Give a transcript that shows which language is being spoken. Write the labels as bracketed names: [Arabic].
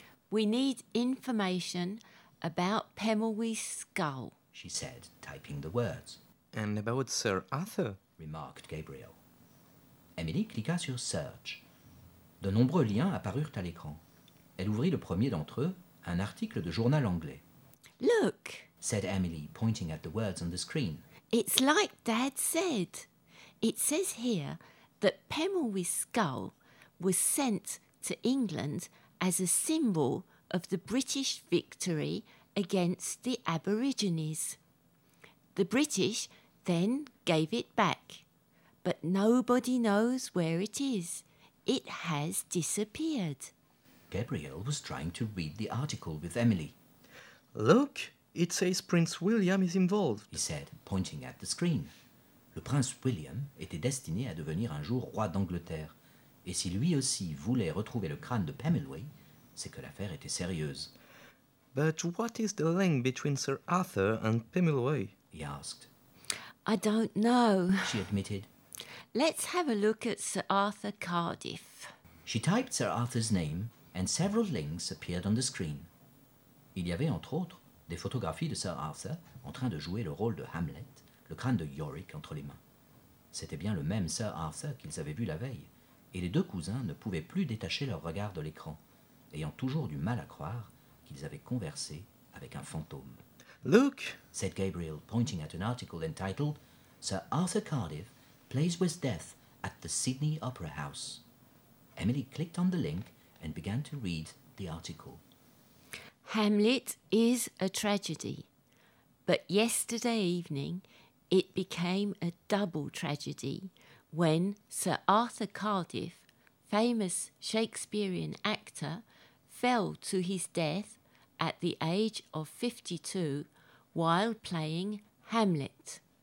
[English] We need information about Pemulwuy's skull, she said, typing the words. And about Sir Arthur, remarked Gabriel. [French] Emily cliqua sur Search. De nombreux liens apparurent à l'écran. Elle ouvrit le premier d'entre eux, un article de journal anglais. [English] Look, said Emily, pointing at the words on the screen. It's like Dad said. It says here that Pemulwuy's skull was sent to England as a symbol of the British victory against the Aborigines. The British then gave it back. But nobody knows where it is. It has disappeared. Gabriel was trying to read the article with Emily. Look, it says Prince William is involved, he said, pointing at the screen. [French] Le prince William était destiné à devenir un jour roi d'Angleterre. Et si lui aussi voulait retrouver le crâne de Pemulwuy, c'est que l'affaire était sérieuse. [English] But what is the link between Sir Arthur and Pemulwuy? He asked. I don't know, she admitted. Let's have a look at Sir Arthur Cardiff. She typed Sir Arthur's name and several links appeared on the screen. [French] Il y avait entre autres des photographies de Sir Arthur en train de jouer le rôle de Hamlet, le crâne de Yorick entre les mains. C'était bien le même Sir Arthur qu'ils avaient vu la veille et les deux cousins ne pouvaient plus détacher leur regard de l'écran, ayant toujours du mal à croire qu'ils avaient conversé avec un fantôme. [English] Look, said Gabriel, pointing at an article entitled Sir Arthur Cardiff Plays with Death at the Sydney Opera House. Emily clicked on the link and began to read the article. Hamlet is a tragedy, but yesterday evening it became a double tragedy when Sir Arthur Cardiff, famous Shakespearean actor, fell to his death at the age of 52 while playing Hamlet.